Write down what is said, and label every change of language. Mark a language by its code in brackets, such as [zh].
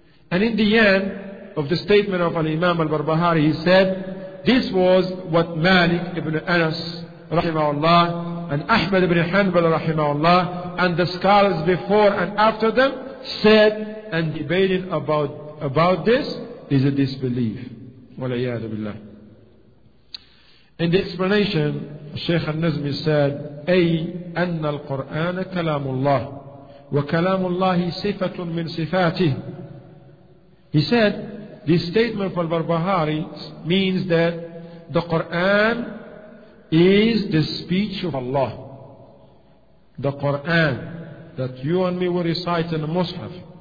[en] And in the end of the statement of Al-Imam Al-Barbahari, he said, this was what Malik ibn Anas rahimahullah and Ahmad ibn Hanbal rahimahullah and the scholars before and after them said, and debating about this is a disbelief. [ar] Walayyadu billah. [en] In the explanation, Shaykh al-Nazmi said, [ar] أي أن القرآن كلام الله وكلام الله صفة من صفاته. [en] He said, this statement of Al-Barbahari means that the Qur'an is the speech of Allah. The Qur'an that you and me will recite in the Mus'haf.